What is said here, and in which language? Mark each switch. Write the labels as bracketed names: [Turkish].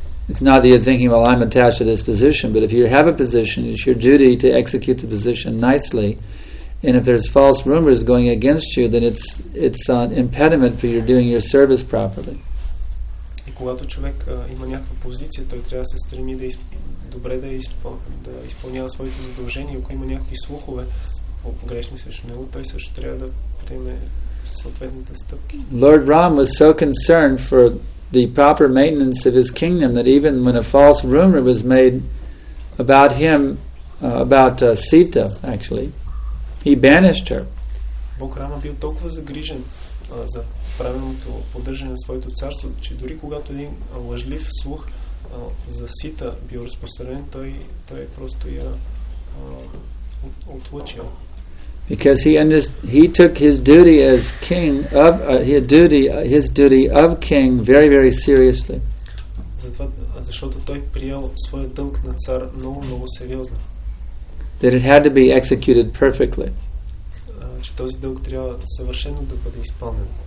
[English] It's not that you're thinking, well, I'm attached to this position, but if you have a position, it's your duty to execute the position nicely. And if there's false rumors going against you, then it's an impediment for your doing your service properly. [Bulgarian] И когато човек има някаква позиция, той трябва да се стреми да добре да изпълнява своите задължения. Ако има някакви слухове грешни срещу него, той също трябва да приеме съответните стъпки. [English] Lord Ram was so concerned for the proper maintenance of his kingdom that even when a false rumor was made about him, about Sita, actually, he banished her. [Bulgarian] Бог Рама бил толкова загрижен за правилното поддържане на своето царство, че дори когато един лъжлив слух за Сита бил разпространен, той просто я отлучил. [English] Because he took his duty as king of his duty of king very, very seriously. [Bulgarian] Защото той приел своя дълг на цар много, много сериозно. [English] That it had to be executed perfectly. [Bulgarian] Че този дълг трябва съвършено да бъде изпълнен.